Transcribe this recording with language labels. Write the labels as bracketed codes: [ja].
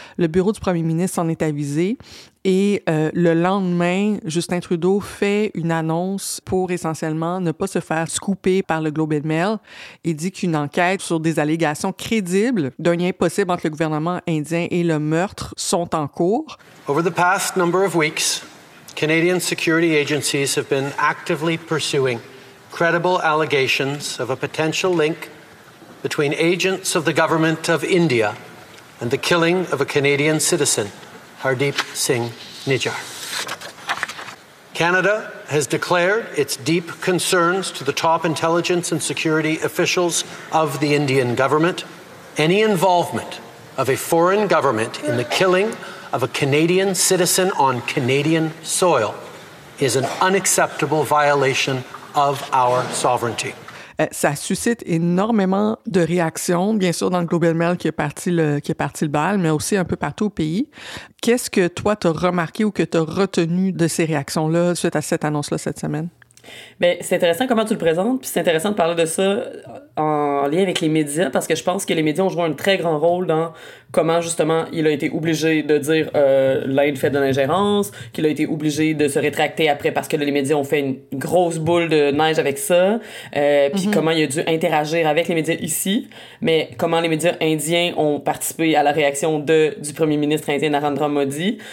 [fr] Le bureau du premier ministre en est avisé. Et le lendemain, Justin Trudeau fait une annonce pour essentiellement ne pas se faire scooper par le Globe and Mail. Il dit qu'une enquête sur des allégations crédibles d'un lien possible entre le gouvernement indien et le meurtre sont en cours. [en] Over the past number of weeks, Canadian security agencies have been actively pursuing credible allegations of a potential link between agents of the government of India and the killing of a Canadian citizen, Hardeep Singh Nijjar. Canada has declared its deep concerns to the top intelligence and security officials of the Indian government. Any involvement of a foreign government in the killing of a Canadian citizen on Canadian soil is an unacceptable violation of our sovereignty. [fr] Ça suscite énormément de réactions, bien sûr dans le Globe and Mail qui est parti le bal, mais aussi un peu partout au pays. Qu'est-ce que toi t'as remarqué ou que t'as retenu de ces réactions-là suite à cette annonce-là cette semaine? Bien, c'est intéressant comment tu le présentes, puis c'est intéressant de parler de ça en lien avec les médias, parce que je pense que les médias ont joué un très grand rôle dans comment, justement, il a été obligé de dire l'Inde fait de l'ingérence, qu'il a été obligé de se rétracter après parce que là, les médias ont fait une grosse boule de neige avec ça, puis comment il a dû interagir avec les médias ici, mais comment les médias indiens ont participé à la réaction du premier ministre indien Narendra Modi.